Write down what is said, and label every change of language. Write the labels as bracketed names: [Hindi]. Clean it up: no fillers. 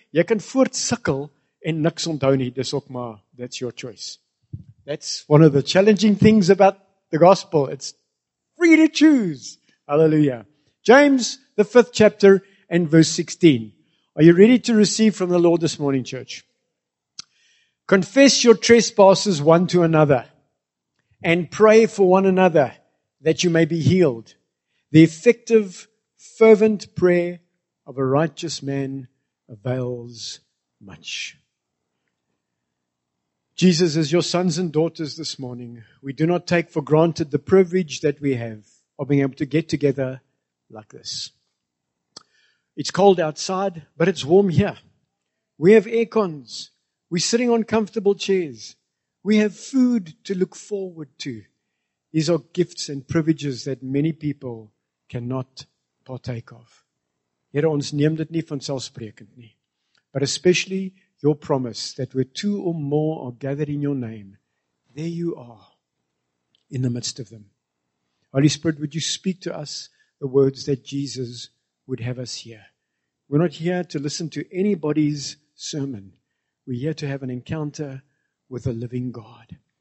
[Afrikaans] Jy kan voortsukkel en niks onthou nie. Dis ook maar, [English] that's your choice. That's one of the challenging things about the gospel. It's free to choose. Hallelujah. James, the fifth chapter and verse 16. Are you ready to receive from the Lord this morning, church? Confess your trespasses one to another. And pray for one another that you may be healed. The effective, fervent prayer of a righteous man avails much. Jesus, as your sons and daughters this morning, we do not take for granted the privilege that we have of being able to get together like this. It's cold outside, but it's warm here. We have air cons. We're sitting on comfortable chairs. We have food to look forward to. These are gifts and privileges that many people cannot partake of. [Afrikaans] Here ons neem dit nie vanselfsprekend nie. [English] But especially your promise that where two or more are gathered in your name, there you are in the midst of them. Holy Spirit, would you speak to us the words that Jesus would have us hear? We're not here to listen to anybody's sermon. We're here to have an encounter with a living God.